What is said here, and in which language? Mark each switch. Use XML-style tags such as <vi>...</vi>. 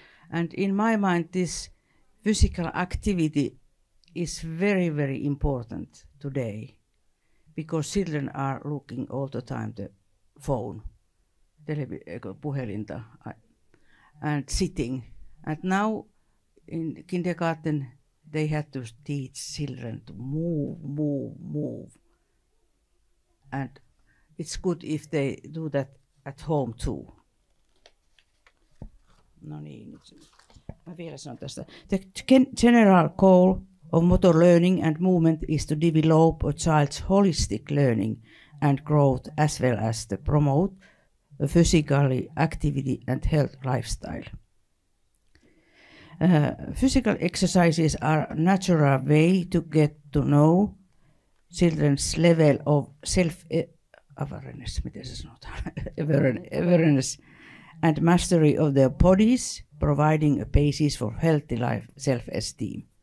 <en>And in my mind, this physical activity is very, very important today, because children are looking all the time the phone,</en> <fi>puhelinta,</fi> <en>and sitting. And now in kindergarten, they had to teach children to move. And it's good if they do that at home too.</en> <fi>No niin, mä vielä sanon tästä.</fi> <en>The general goal of motor learning and movement is to develop a child's holistic learning and growth as well as to promote a physical activity and health lifestyle. Physical exercises are a natural way to get to know children's level of self-awareness,</en> <fi>miten se sanotaan,</fi> <en>awareness and mastery of their bodies, providing a basis for healthy life self-esteem.</en>